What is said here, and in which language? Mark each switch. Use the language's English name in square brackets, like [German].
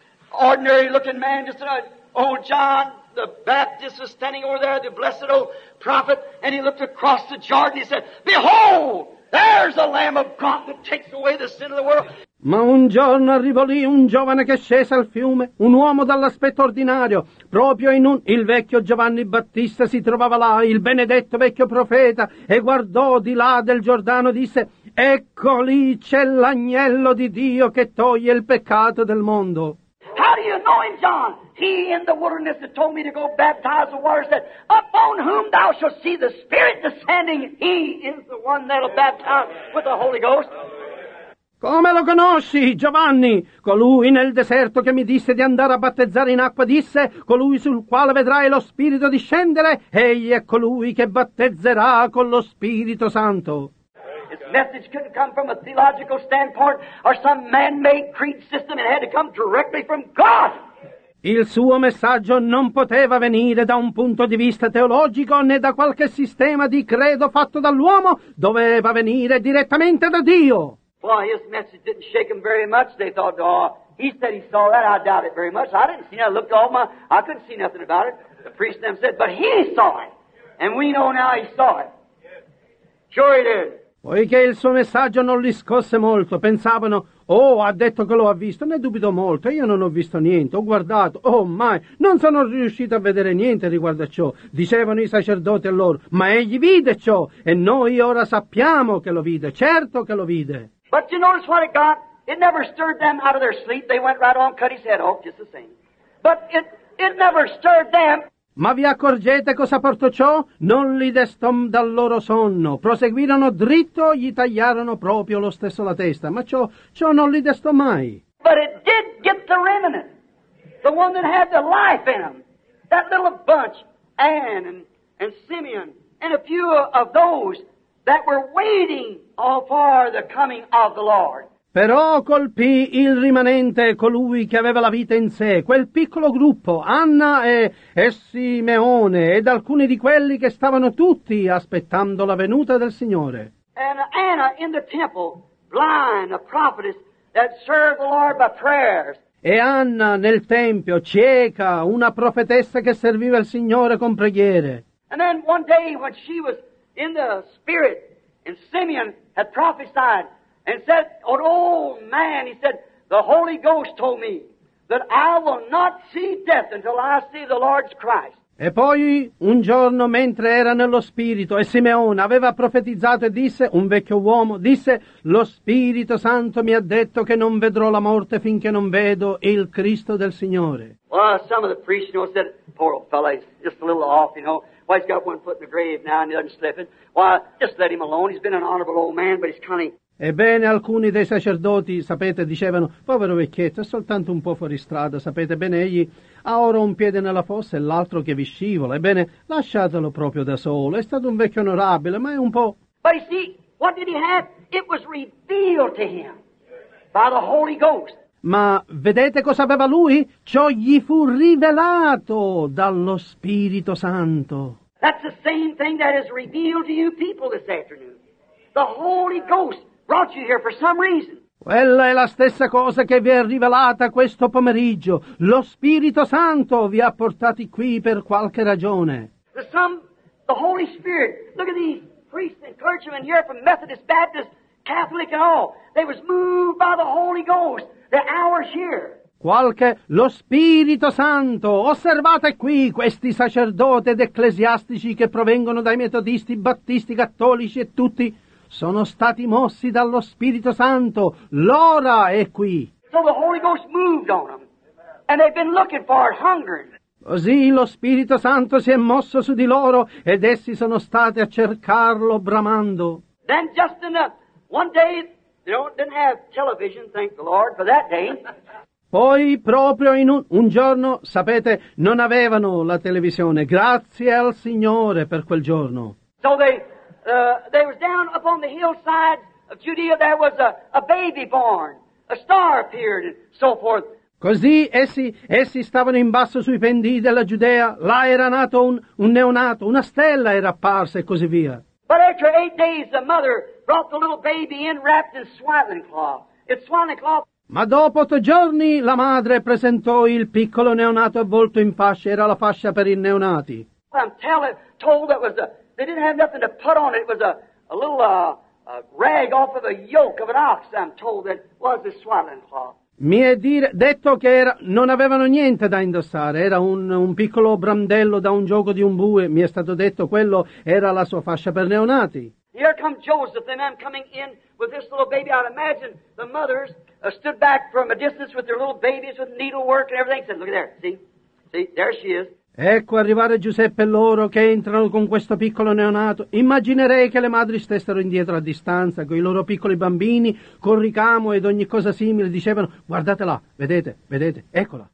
[English] Ordinary looking man, just said, oh, John, the Baptist was standing over there, the blessed old prophet, and he looked across the Jordan and he said, behold! There's the Lamb of God that takes away the sin of the world. [Italian] Ma un giorno arrivò lì un giovane che scese al fiume, un uomo dall'aspetto ordinario, proprio in un... Il vecchio Giovanni Battista si trovava là, il benedetto vecchio profeta, e guardò di là del Giordano e disse, ecco lì c'è l'agnello di Dio che toglie il peccato del mondo. [English] How do you know him, John? He in the wilderness that told me to go baptize the water said, upon whom thou shalt see the Spirit descending, he is the one that'll baptize with the Holy Ghost. [Italian] Come lo conosci, Giovanni? Colui nel deserto che mi disse di andare a battezzare in acqua disse, colui sul quale vedrai lo Spirito discendere, egli è colui che battezzerà con lo Spirito Santo. [English] His message couldn't come from a theological standpoint or some man-made creed system. It had to come directly from God. [Italian] Il suo messaggio non poteva venire da un punto di vista teologico né da qualche sistema di credo fatto dall'uomo. Doveva venire direttamente da Dio. [English] Well, his message didn't shake them very much. They thought, oh, he said he saw that. I doubt it very much. I didn't see it. I looked all my... I couldn't see nothing about it. The priest them said, but he saw it. And we know now he saw it. Sure he did. [Italian] Poiché il suo messaggio non li scosse molto, pensavano, oh, ha detto che lo ha visto, ne dubito molto, io non ho visto niente, ho guardato, oh mai, non sono riuscito a vedere niente riguardo a ciò, dicevano i sacerdoti a loro, ma egli vide ciò, e noi ora sappiamo che lo vide, certo che lo vide. [English] But you notice what it got? It never stirred them out of their sleep, they went right on, cut his head off, just the same. But it never stirred them. [Italian] Ma vi accorgete cosa portò ciò? Non li destò dal loro sonno. Proseguirono dritto, gli tagliarono proprio lo stesso la testa. Ma ciò non li destò mai. [English] But it did get the remnant. The one that had the life in them. That little bunch, Anne and Simeon, and a few of those that were waiting all for the coming of the Lord. [Italian] Però colpì il rimanente, colui che aveva la vita in sé, quel piccolo gruppo, Anna e Simeone, ed alcuni di quelli che stavano tutti aspettando la venuta del Signore. [English] And Anna in the temple, blind, a prophetess that served the Lord by prayers. [Italian] E Anna nel tempio, cieca, una profetessa che serviva il Signore con preghiere. [English] And then one day when she was in the spirit, and Simeon had prophesied, and said, an old man, he said, the Holy Ghost told me that I will not see death until I see the Lord's Christ. [Italian] E poi, un giorno, mentre era nello Spirito, e Simeone aveva profetizzato e disse, un vecchio uomo, disse, lo Spirito Santo mi ha detto che non vedrò la morte finché non vedo il Cristo del Signore. [English] Well, some of the priests, you know, said, poor old fellow, he's just a little off, you know. Well, he's got one foot in the grave now and he doesn't slip it. Well, just let him alone. He's been an honorable old man, but he's kind of... [Italian] Ebbene, alcuni dei sacerdoti, sapete, dicevano, povero vecchietto, è soltanto un po' fuori strada, sapete bene, egli ha ora un piede nella fossa e l'altro che vi scivola. Ebbene, lasciatelo proprio da solo, è stato un vecchio onorabile, ma è un po'... [English] But you see, what did he have? It was revealed to him by the Holy Ghost. [Italian] Ma vedete cosa aveva lui? Ciò gli fu rivelato dallo Spirito Santo. [English] That's the same thing that is revealed to you people this afternoon. The Holy Ghost. Brought you here for some reason. [Italian] Quella è la stessa cosa che vi è rivelata questo pomeriggio. Lo Spirito Santo vi ha portati qui per qualche ragione. [English] The Holy Spirit. Look at these priests and clergymen here from Methodist, Baptist, Catholic and all. They was moved by the Holy Ghost. The hour's here. [Italian] Qualche, lo Spirito Santo, osservate qui questi sacerdoti ed ecclesiastici che provengono dai metodisti, battisti, cattolici e tutti... Sono stati mossi dallo Spirito Santo. L'ora è qui. [English] So the Holy Ghost moved on them. And they've been looking for it, hungering. [Italian] Così lo Spirito Santo si è mosso su di loro ed essi sono stati a cercarlo bramando. [English] Then just in the, one day, they didn't have television, thank the Lord, for that day. [Italian] Poi proprio in un giorno, sapete, non avevano la televisione. Grazie al Signore per quel giorno. [English] So they were down up on the hillside of Judea, there was a baby born, a star appeared, and so forth. [Italian] Così essi stavano in basso sui pendii della Giudea, là era nato un neonato, una stella era apparsa e così via. [English] But after 8 days, the mother brought the little baby in wrapped in swaddling cloth. It's swaddling cloth. [Italian] Ma dopo 8 giorni la madre presentò il piccolo neonato avvolto in fascia, era la fascia per i neonati. [English] I'm telling, told that was a, they didn't have nothing to put on it, it was a little a rag off of the yoke of an ox, I'm told that was the swaddling cloth. [Italian] Mi è detto che non avevano niente da indossare, era un piccolo brandello da un gioco di un bue, mi è stato detto quello era la sua fascia per neonati. [English] Here come Joseph, the man coming in with this little baby. I'd imagine the mothers stood back from a distance with their little babies with needlework and everything, said, look at there, see, there she is. [Italian] Ecco arrivare Giuseppe e loro che entrano con questo piccolo neonato. Immaginerei che le madri stessero indietro a distanza con i loro piccoli bambini, col ricamo ed ogni cosa simile, dicevano: guardate là, vedete, eccola.